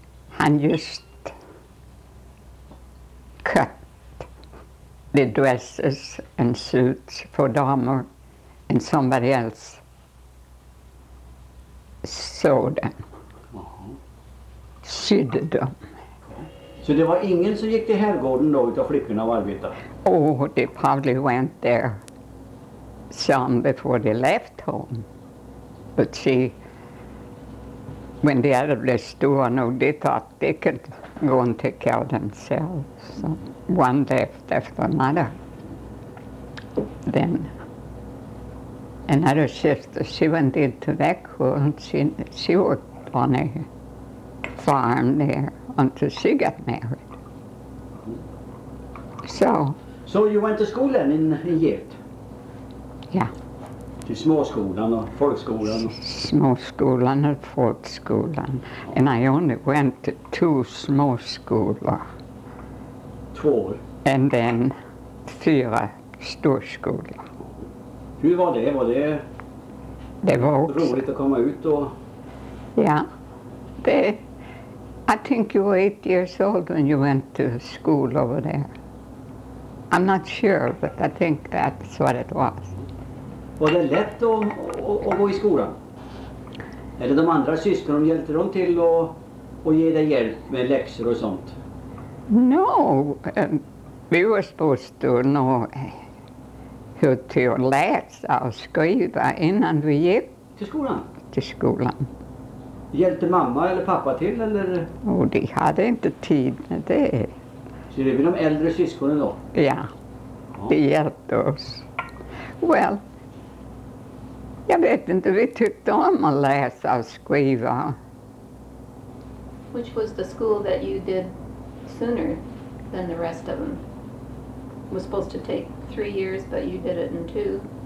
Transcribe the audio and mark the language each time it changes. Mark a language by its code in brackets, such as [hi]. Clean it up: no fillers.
[en] Han just cut the dresses and suits for damer and somebody else sewed them. [sv] Sydde dem. Så det var ingen som gick till herrgården då utav flickorna och arbetade? [en] Oh, they probably went there some before they left home. But she, when the other [sv] blev stora nog, [en] they thought they could go and take care of themselves. So one left after another. Then another sister, she went into Växjö and she worked on a farm there until she got married. So you went to school then in Gävle? [sv] Ja. Till småskolan och folkskolan. Småskolan och folkskolan. [en] And I only went to two small schools. [sv] Två. [en] And then [sv] fyra storskolor. Hur var det? Var det? Det var också roligt att komma ut och. Ja. Det. [en] I think you were 8 years old when you went to school over there. I'm not sure, but I think that's what it was. [sv] Var det lätt att gå i skolan? Eller de andra syskonen hjälpte dem till att ge dig hjälp med läxor och sånt? [en] No, we were supposed to know how to [sv] läsa och skriva innan vi gick. Till skolan? Till skolan. Hjälpte mamma eller pappa till eller? Oh, de hade inte tid med det. Så det är de äldre syskonen då? Ja, de hjälpte oss. Well, jag vet inte, vi tyckte om att läsa och skriva. [en] Which was the school that you did sooner than the rest of them? It was supposed to take 3 years, but you did it in 2.